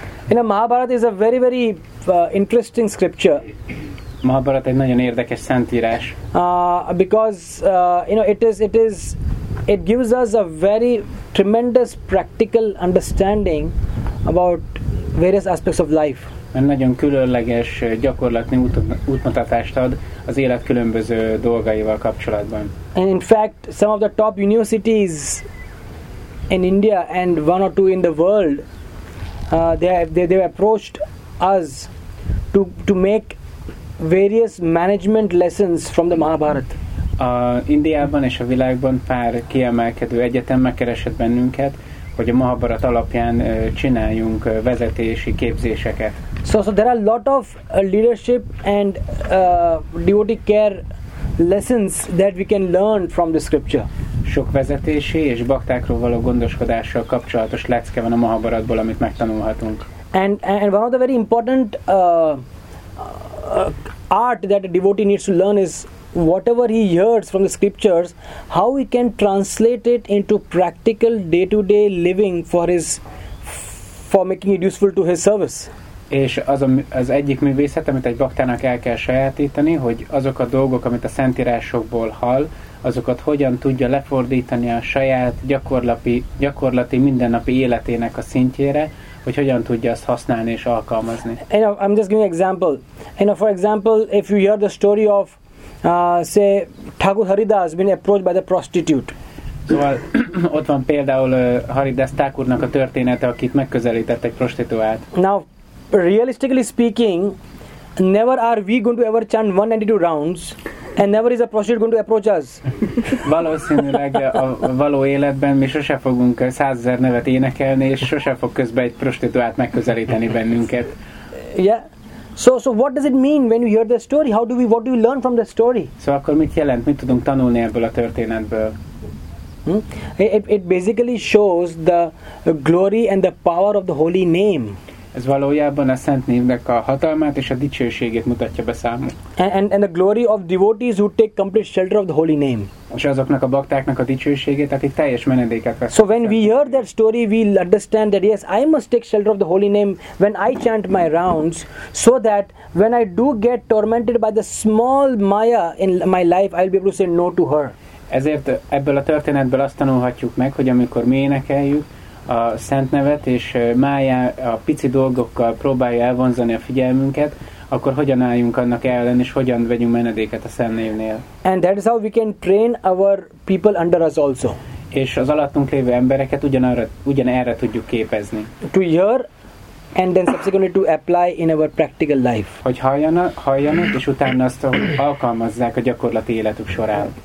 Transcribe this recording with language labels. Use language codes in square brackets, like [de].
[en] You know, Mahabharat is a very, very interesting scripture. [hu] Mahabharat egy nagyon érdekes szentírás. [en] Because it gives us a very tremendous practical understanding about various aspects of life. [hu] Mert nagyon különleges gyakorlati útmutatást ad az élet különböző dolgaival kapcsolatban. [en] And in fact, some of the top universities in India and one or two in the world, they approached us to make various management lessons from the Mahabharat. [hu] A Indiában és a világban pár kiemelkedő egyetem megkeresett bennünket, hogy a Mahabharat alapján csináljunk vezetési képzéseket. [en] So there are a lot of leadership and devotee care lessons that we can learn from the scripture. [hu] Sok vezetési és baktákról való gondoskodással kapcsolatos lecke van a Mahabharatból, amit megtanulhatunk. [en] And one of the very important art that a devotee needs to learn is whatever he hears from the scriptures, how he can translate it into practical day-to-day living for making it useful to his service. [hu] És az egyik művészet, amit egy baktának el kell sajátítani, hogy azok a dolgok, amit a szentírásokból hall, azokat hogyan tudja lefordítani a saját gyakorlati mindennapi életének a szintjére, hogy hogyan tudja ezt használni és alkalmazni. [en] You know, I'm just giving an example. You know, for example, if you hear the story of say Thakur Haridas being approached by the prostitute. [hu] Szóval ott van például Haridas Thakurnak a története, akit megközelített egy prostituált. [en] Now, realistically speaking, never are we going to ever chant 192 rounds, and never is a prostitute going to approach us. [hu] Valószínűleg a való életben mi sose fogunk 100,000 nevet énekelni, és sose fog közben egy prostituált megközelíteni bennünket. [en] Yeah. So what does it mean when you hear the story? What do we learn from the story? [hu] Szóval akkor mit jelent? Mit tudunk tanulni ebből a történetből? [en] It basically shows the glory and the power of the holy name. [hu] Ez valójában a szent névnek a hatalmát és a dicsőségét mutatja be számunk. [en] And the glory of devotees who take complete shelter of the holy name. [hu] És azoknak a baktáknak a dicsőségét, akik teljes menedéket vesznek. [en] So when we hear that story, we understand that yes, I must take shelter of the holy name when I chant my rounds, so that when I do get tormented by the small maya in my life, I'll be able to say no to her. [hu] Ezért ebből a történetből azt tanulhatjuk meg, hogy amikor mi énekeljük a szent nevet, és májá a pici dolgokkal próbálja elvonzani a figyelmünket, akkor hogyan álljunk annak ellen, és hogyan vegyünk menedéket a szent névnél. [en] And that is how we can train our people under us also. [hu] És az alattunk lévő embereket ugyanerre tudjuk képezni. [en] To hear, and then subsequently to apply in our practical life. [hu] Hogy halljanak, és utána azt alkalmazzák a gyakorlati életük során.